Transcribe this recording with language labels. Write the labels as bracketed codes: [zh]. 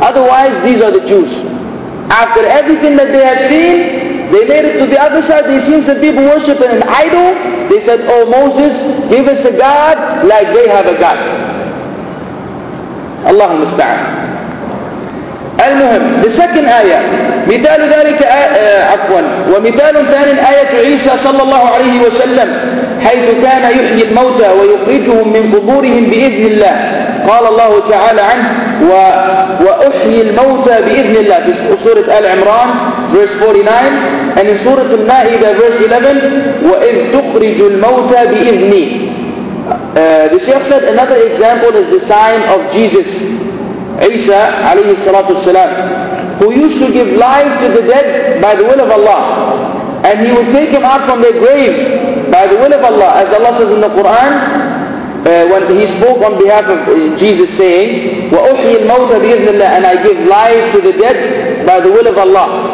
[en] Otherwise, these are the Jews. After everything that they had seen, they made it to the other side, they seen some people worshiping an idol, they said, oh Moses, give us a God like they have a God. [ar] Allahumma ista'an. المهم [en] the second ayah [ar] مثال ذلك عفوا ومثال ثاني آية عيسى صلى الله عليه وسلم حيث كان يحيي الموتى ويخرجهم من قبورهم بإذن الله قال الله تعالى عنه وأحيي الموتى بإذن الله في سورة آل عمران [en] verse 49 and in [ar] سورة المائدة [en] verse 11 [ar] وإذ تخرج الموتى بإذني. [en] The Shaykh said another example is the sign of Jesus Isa alayhi salatu wasalam, who used to give life to the dead by the will of Allah, and he would take him out from their graves by the will of Allah, as Allah says in the Quran when he spoke on behalf of Jesus saying [ar] wa uhyi al-mauta bi-idhnillah, [en] and I give life to the dead by the will of Allah.